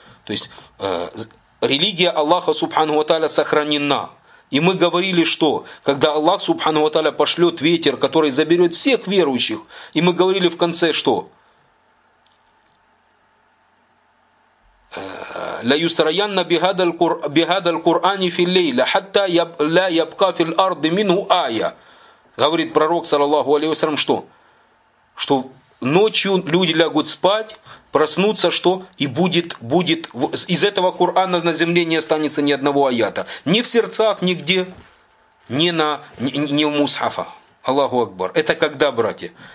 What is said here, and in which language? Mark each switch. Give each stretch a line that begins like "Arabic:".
Russian: То есть религия Аллаха Субхану ва Тааля сохранена. И мы говорили, что когда Аллах Субхану ва Тааля пошлет ветер, который заберет всех верующих, и мы говорили в конце, что...
Arabic: لا يسرين بهذا القرآن في الليل حتى لا يبقى في الأرض منه آية.
Russian: Говорит пророк, саллаллаху алейхи ва саллям, что? Что ночью люди лягут спать, проснутся, что? И будет из этого Корана на земле не останется ни одного аята. Ни в сердцах, нигде, ни в мусхафа. Аллаху Акбар. Это когда, братья?